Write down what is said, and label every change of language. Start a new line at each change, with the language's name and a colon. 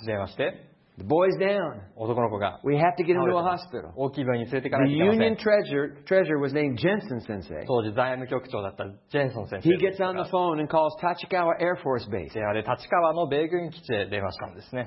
Japanese: 電話して。
English: The boy's down.
Japanese: 男の子が。
English: We have to get him to a hospital.
Japanese: 大きい病院に連れて行かないといけません。
English: The union treasurer was named Jensen Sensei.
Japanese: 当時財務局長だったジェンソン先生。
English: He gets on the phone and calls Tachikawa Air Force Base.
Japanese: で、あれ、立川の米軍基地で電話したんですね。